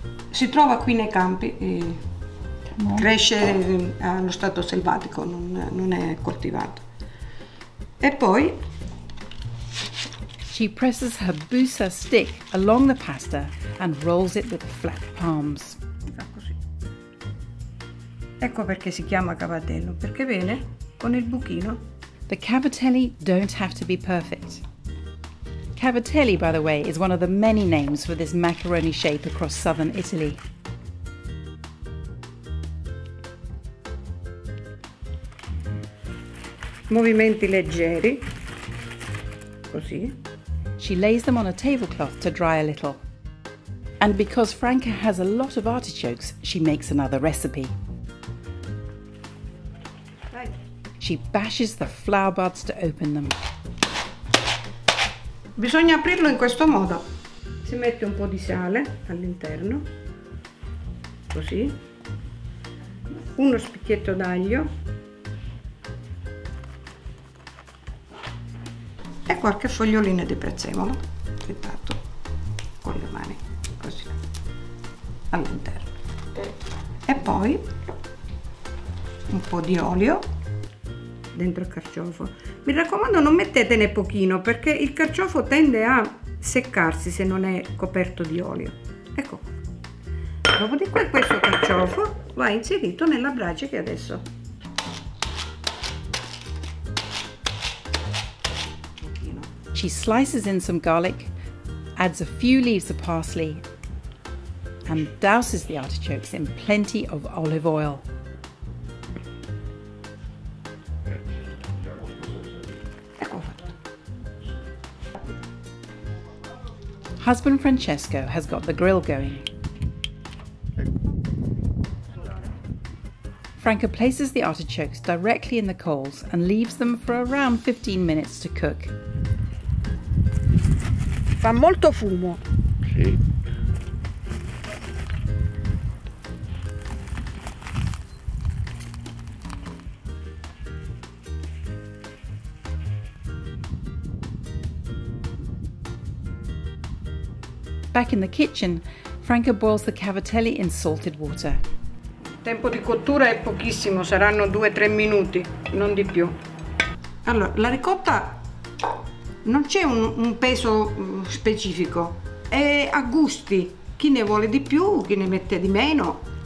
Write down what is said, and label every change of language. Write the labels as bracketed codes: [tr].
[it] Si trova qui nei campi, e cresce allo stato selvatico, non è coltivato. E poi [en] she presses her busa stick along the pasta and rolls it with flat palms. [it] Ecco perché si chiama cavatello, perché viene con il buchino. [en] The cavatelli don't have to be perfect. Cavatelli, by the way, is one of the many names for this macaroni shape across southern Italy. [it] Movimenti leggeri, così. [en] She lays them on a tablecloth to dry a little. And because Franca has a lot of artichokes, she makes another recipe. She bashes the flower buds to open them. [it] Bisogna aprirlo in questo modo. Si mette un po' di sale all'interno, così. Uno spicchietto d'aglio. E qualche foglioline di prezzemolo. Aspettato con le mani, così, all'interno. E poi un po' di olio dentro il carciofo. Mi raccomando, non mettetene pochino, perché il carciofo tende a seccarsi se non è coperto di olio. Ecco. Dopodiché questo carciofo va inserito nella brace che adesso. [en] She slices in some garlic, adds a few leaves of parsley, and douses the artichokes in plenty of olive oil. Husband Francesco has got the grill going. Franca places the artichokes directly in the coals and leaves them for around 15 minutes to cook. [it] Fa molto fumo. Sì. [en] Back in the kitchen, Franca boils the cavatelli in salted water. [it] Tempo di cottura è pochissimo, saranno 2-3 minuti, non di più. Allora, la ricotta non c'è un peso specifico, è a gusti. Chi ne vuole di più, chi ne mette di meno.